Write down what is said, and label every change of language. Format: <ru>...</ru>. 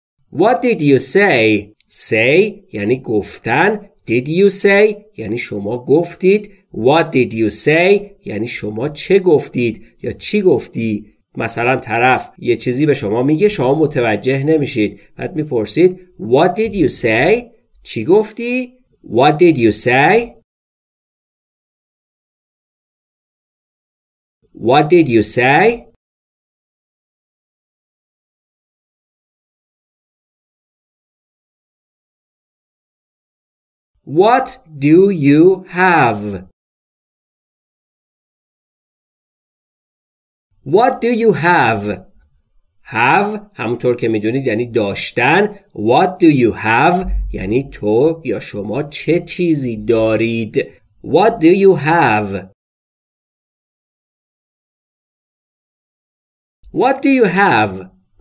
<en>What did you say? Say</en> <fa>یعنی گفتن.</fa> <en>Did you say</en> <fa>یعنی شما گفتید.</fa> <en>What did you say</en> <fa>یعنی شما چه گفتید یا چی گفتی؟ مثلا طرف یه چیزی به شما میگه شما متوجه نمیشید. بعد میپرسید</fa> <en>What did you say؟</en> <fa>چی گفتی؟</fa> <en>What did you say؟ What did you say؟ What do you have؟ What do you have?</en> <fa>Have همونطور که میدونید یعنی داشتن.</fa> <en>What do you have</en> <fa>یعنی تو یا شما چه چیزی دارید.</fa> <en>What do you have? What do you have?</en>